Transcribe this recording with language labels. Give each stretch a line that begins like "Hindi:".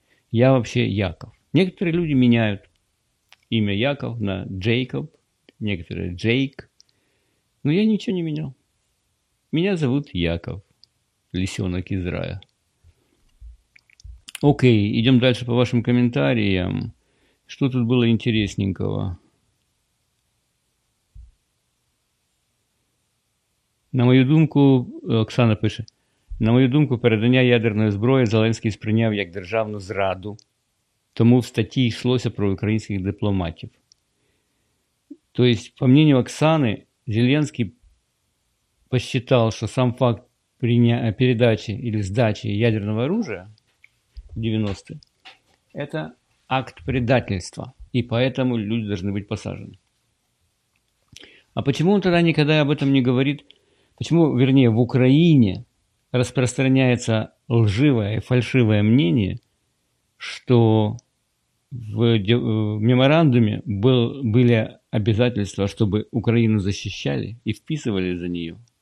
Russian: «Я вообще Яков». Некоторые люди меняют имя Яков на Джейкоб, некоторые Джейк. Но я ничего не менял. Меня зовут Яков, лисенок из рая. Окей, идем дальше по вашим комментариям. Что тут было интересненького?
Ukrainian: На мою думку, Оксана пише: «На мою думку, передання ядерної зброї Зеленський сприйняв як державну зраду, тому в статті йшлося про українських дипломатів».
Russian: То есть, по мнению Оксани, Зеленський посчитав,
Ukrainian: що сам факт
Russian: передачі или здачі ядерного оружия 90-е. Это акт предательства. И поэтому люди должны быть посажены. А почему он тогда никогда об этом не говорит? Почему, вернее, в Украине распространяется лживое и фальшивое мнение, что в меморандуме были обязательства, чтобы Украину защищали и вписывали за нее?